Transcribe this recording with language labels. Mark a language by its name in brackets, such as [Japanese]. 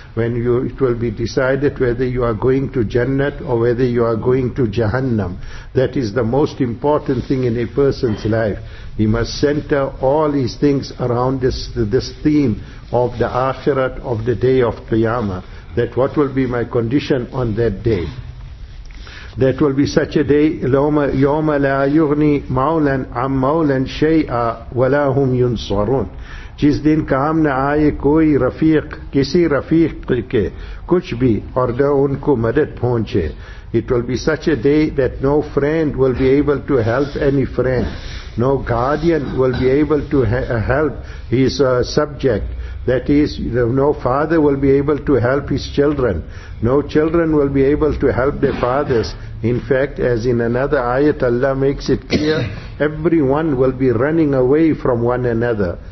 [English] When it will be decided whether you are going to Jannat or whether you are going to Jahannam. That is the most important thing in a person's life. He must center all his things around this theme of the Akhirat, of the day of Qiyamah. That what will be my condition on that day. That will be such a day, [Arabic] يَوْمَ لَا يُغْنِي مَوْلًا عَمْ مَوْلًا شَيْئًا وَلَا هُمْ يُنصَرُونَ. [Urdu] جس دن کام نہ آئے کوئی رفیق کسی رفیق کے کچھ بھی اور نہ ان کو مدد پہنچے. [English] It will be such a day that no friend will be able to help any friend. No guardian will be able to help his subject. That is, no father will be able to help his children. No children will be able to help their fathers. In fact, as in another ayat, Allah makes it clear, everyone will be running away from one another.